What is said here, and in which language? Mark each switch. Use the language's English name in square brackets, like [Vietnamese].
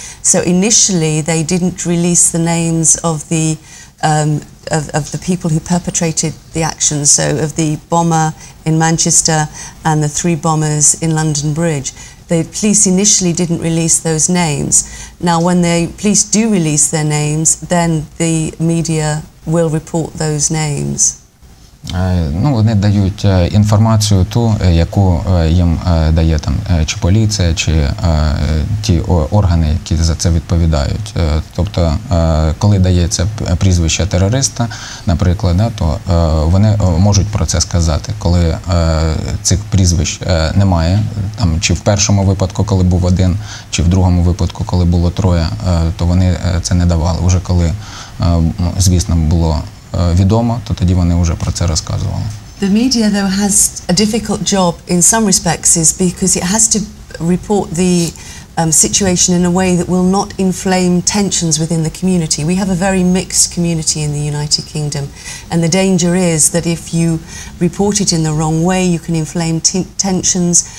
[English] So initially they didn't release the names of the people who perpetrated the action, so of the bomber in Manchester and the three bombers in London Bridge. The police initially didn't release those names. Now when the police do release their names, then the media will report those names. [Ukrainian] Ну, вони дають інформацію ту, яку їм дає там чи поліція, чи ті органи, які за це відповідають. Тобто, коли дається прізвище терориста, наприклад, да, то вони можуть про це сказати. Коли цих прізвищ немає, там чи в першому випадку, коли був один, чи в другому випадку, коли було троє, то вони це не давали. Уже коли, звісно, було відомо, то тоді вони вже про це розказували. [English] The media though has a difficult job in some respects is because it has to report the situation in a way that will not inflame tensions within the community. We have a very mixed community in the United Kingdom, and the danger is that if you report it in the wrong way, you can inflame tensions.